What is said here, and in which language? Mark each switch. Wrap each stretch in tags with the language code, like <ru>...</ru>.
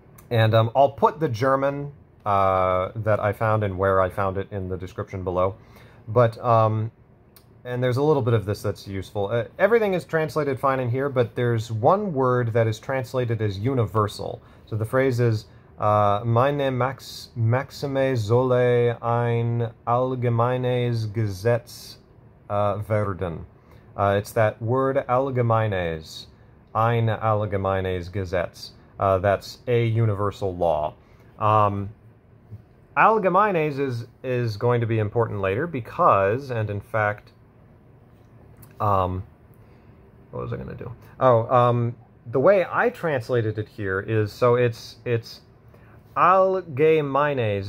<en>And I'll put the German that I found and where I found it in the description below, but and there's a little bit of this that's useful. Everything is translated fine in here, but there's one word that is translated as universal. So the phrase is,</en> <de>meine Maxime solle ein allgemeines Gesetz werden.</de> <en>It's that word allgemeines,</en> <de>ein allgemeines Gesetz.</de> <en>That's a universal law. Allgemeines is going to be important later because, and in fact, what was I going to do? Oh, the way I translated it here is, so it's allgemeines.</en>